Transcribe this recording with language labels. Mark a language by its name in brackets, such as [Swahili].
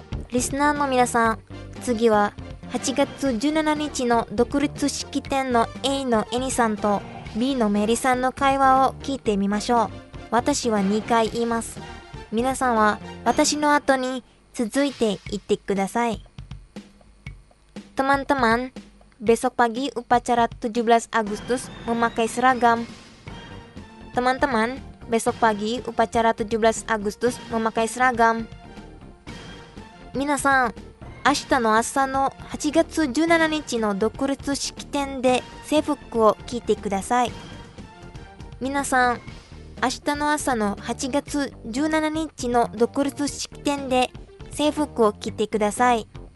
[Japanese] リスナーの皆さん、次は8月17日の独立式典の A のエニさんと B のメリさんの会話を聞いてみましょう。私は2回言います。皆さんは私の後に続いて言ってください。トマントマン、 [Indonesian] besok pagi upacara 17 Agustus memakai seragam。トマントマン、besok pagi upacara 17 Agustus memakai seragam。 [Japanese] 皆さん、明日の朝の8月17日の独立式典で制服を着てください。皆さん、明日の朝の8月17日の独立式典で制服を着てください。